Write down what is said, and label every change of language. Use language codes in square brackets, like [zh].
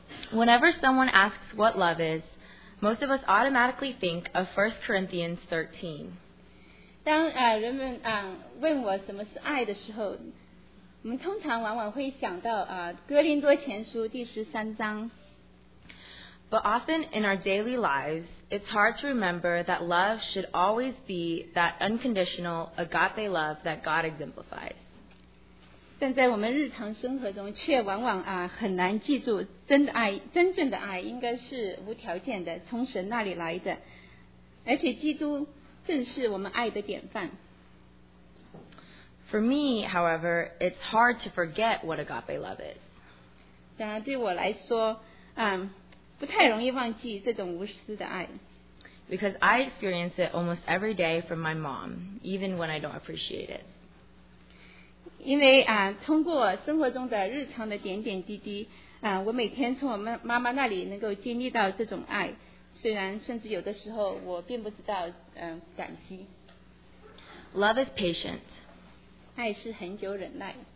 [en] Whenever someone asks what love is, most of us automatically think of 1 Corinthians 13. [zh] 当人们问我什么是爱的时候，我们通常往往会想到哥林多前书第十三章。 [en] But often in our daily lives, it's hard to remember that love should always be that unconditional agape love that God exemplifies. [zh] 但在我们日常生活中却往往很难记住真的爱，真正的爱应该是无条件的，从神那里来的，而且基督正是我们爱的典范。 [en] For me, however, it's hard to forget what agape love is. [zh] 但对我来说，不太容易忘记这种无私的爱。 [en] Because I experience it almost every day from my mom, even when I don't appreciate it. [zh] 因为通过生活中的日常的点点滴滴，我每天从我妈妈那里能够经历到这种爱，虽然甚至有的时候我并不知道感激。 [en] Love is patient. [zh] 爱是恒久忍耐。